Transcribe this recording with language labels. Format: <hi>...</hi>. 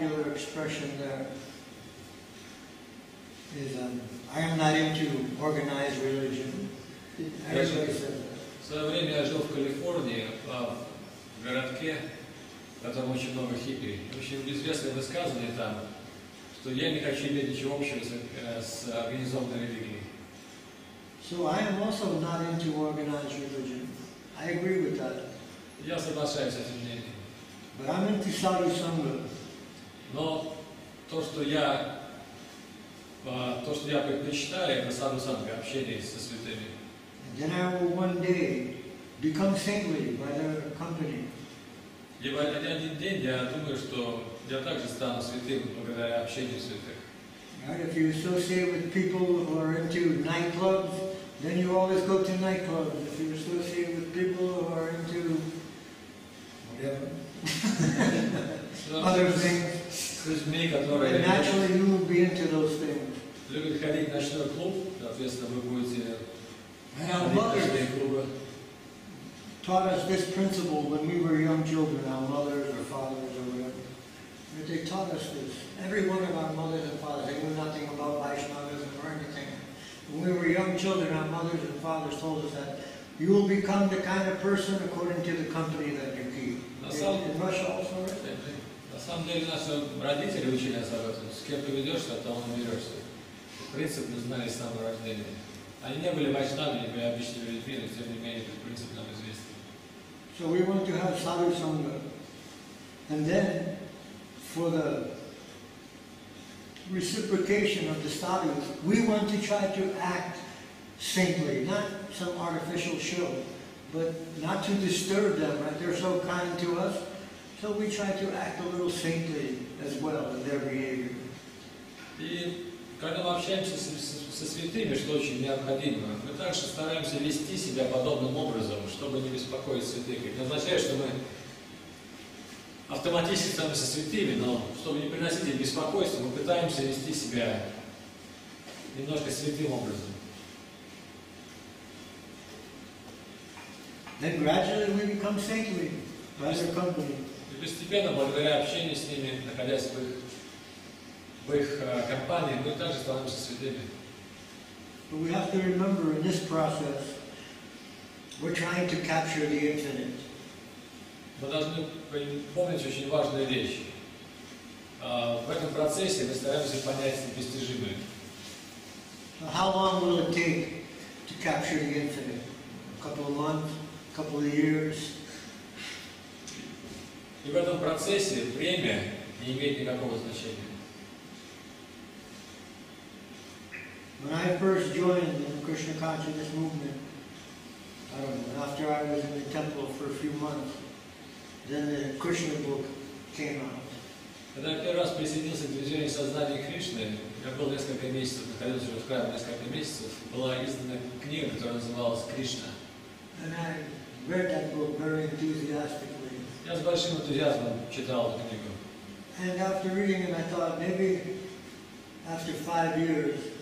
<en>Expression there is I am not into organized religion.</en> <ru>В свое время я жил в Калифорнии, в городке, там очень много хиппи. Очень известное высказывание там, что я не хочу иметь ничего общего с организованной религией.</ru> <en>So I am also not into organized religion. I agree with that.</en> <ru>Я соглашаюсь с этим мнением.</ru> <en>But I'm into sadhusanga.</en> <ru>Но то, что я предпочитаю, это саду-санга, общение со святыми.</ru> <en>And then I will one day become saintly by their company.</en> <ru>Либо не один день, я думаю, что я также стану святым благодаря общению святых.</ru> <en>Right, if you associate with people who are into nightclubs, then you always go to nightclubs. If you associate with people who are into whatever. Other things.</en> <ru>Людьми, которые</ru> <en>and naturally you will be into those things.</en> <ru>Любит ходить в ночной клуб, соответственно, вы будете ходить в клубы.</ru> <en>Taught us this principle when we were young children, our mothers or fathers or whatever. They taught us this. Every one of our mothers and fathers, they knew nothing about Vaishnavism or anything. When we were young children, our mothers and fathers told us that you will become the kind of person according to the company that you keep. In Russia also, right?</en> <ru>На самом деле наши родители учили нас об этом. С кем ты ведешься, от того наберешься. Принцип мы знали с самого рождения. Они не были вайшнавами, не были обычными людьми, но тем не менее этот принцип нам известен.</ru> <en>So we want to have sadhu sangha. And then for the reciprocation of the sadhu, we want to try to act saintly, not some artificial show, but not to disturb them, right? They're so kind to us. So we try to act a little saintly as well in their behavior.</en> <ru>Когда мы общаемся со святыми, что очень необходимо, мы также стараемся вести себя подобным образом, чтобы не беспокоить святых. Это означает, что мы автоматически становимся святыми, но чтобы не приносить им беспокойство, мы пытаемся вести себя немножко святым образом.</ru> <en>Then gradually we become saintly by their company.</en> <ru>И постепенно, благодаря общению с ними, находясь в их компании, мы также становимся святыми.</ru> <en>But we have to remember in this process we're trying to capture the infinite.</en> <ru>Мы должны помнить очень важную вещь. В этом процессе мы стараемся понять непостижимое.</ru> <en>So how long will it take to capture the infinite? A couple of months? A couple of years?</en> <ru>И в этом процессе время не имеет никакого значения.</ru> <en>When I first joined the Krishna consciousness movement, I don't know, after I was in the temple for a few months, then the Krishna book came out.</en> <ru>Когда я первый раз присоединился к движению сознания Кришны, я был несколько месяцев, находился в храме несколько месяцев, была издана книга, которая называлась Кришна.</ru> <en>And I read that book very enthusiastically.</en> <ru>Я с большим энтузиазмом читал эту книгу.</ru> <en>And after reading it, I thought maybe after 5 years.</en>